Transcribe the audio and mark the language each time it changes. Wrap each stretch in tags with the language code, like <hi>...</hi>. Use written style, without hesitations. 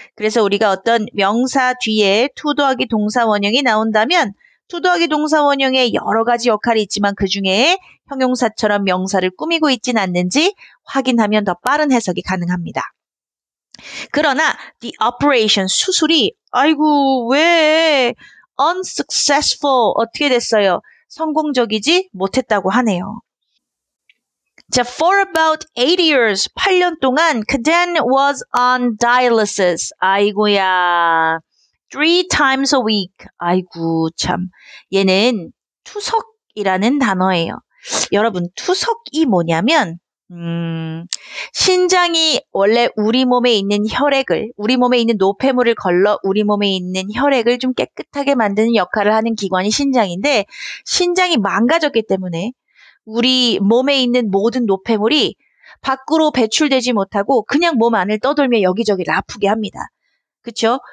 <ko>그래서 우리가 어떤 명사 뒤에 to 더하기 동사 원형이 나온다면 to 더하기 동사 원형에 여러 가지 역할이 있지만 그 중에 형용사처럼 명사를 꾸미고 있진 않는지 확인하면 더 빠른 해석이 가능합니다. 그러나</ko> <en>the operation</en> <ko>수술이 아이고 왜 unsuccessful 어떻게 됐어요? 성공적이지 못했다고 하네요.</ko> <en>자, for about 8 years</en> <ko>8년 동안</ko> <en>Kaden was on dialysis.</en> <ko>아이고야.</ko> <en>3 times a week.</en> <ko>아이고 참. 얘는 투석이라는 단어예요. 여러분, 투석이 뭐냐면 신장이 원래 우리 몸에 있는 혈액을 우리 몸에 있는 노폐물을 걸러 우리 몸에 있는 혈액을 좀 깨끗하게 만드는 역할을 하는 기관이 신장인데 신장이 망가졌기 때문에 우리 몸에 있는 모든 노폐물이 밖으로 배출되지 못하고 그냥 몸 안을 떠돌며 여기저기를 아프게 합니다. 그렇죠?</ko>